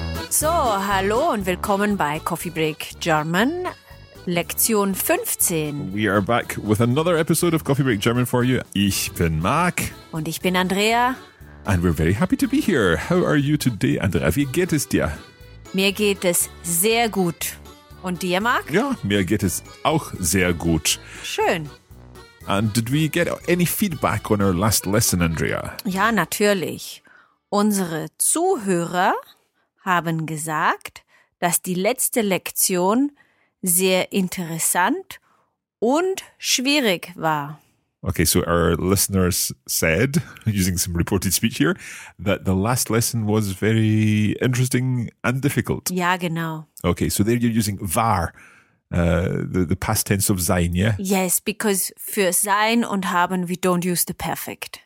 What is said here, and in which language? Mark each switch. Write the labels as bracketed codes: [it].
[de] So, hallo und willkommen bei Coffee Break German, Lektion 15. [en] We are back with another episode of Coffee Break German for you. [de] Ich bin Marc. Und ich bin Andrea. [en] And we're very happy to be here. How are you today, Andrea? [de] Wie geht es dir? Mir geht es sehr gut. Und dir, Marc? Ja, mir geht es auch sehr gut. Schön. [en] And did we get any feedback on our last lesson, Andrea? [de] Ja, natürlich. Unsere Zuhörer haben gesagt, dass die letzte Lektion sehr interessant und schwierig war. [en] Okay, so our listeners said, using some reported speech here, that the last lesson was very interesting and difficult. [de] Ja, genau. [en] Okay, so there you're using war, the past tense of sein, yeah? Yes, because [de] für sein und haben, [en] we don't use the perfect.